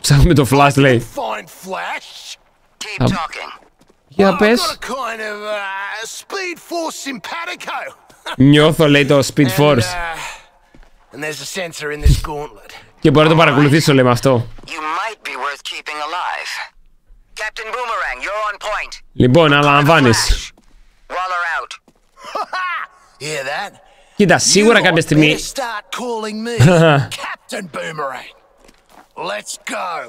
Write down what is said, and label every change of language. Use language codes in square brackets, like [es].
[el] Ψάχνουμε το Flash, λέει. [en] Find Flash. Keep talking. [el] Για πες. [en] Well, kind of, speed force simpatico. [el] Νιώθω, λέει, το Speed Force. [en] And there's a sensor in this gauntlet. [el] Και μπορώ να το παρακολουθήσω, λέει, με αυτό. [en] You might be worth keeping alive. Captain Boomerang, you're on point. [el] Λοιπόν, αλλά αναλαμβάνεις. [en] Waller out. Hear that? [el] Κοίτα, σίγουρα κάποια στιγμή. [en] Start calling me Captain Boomerang. Let's go.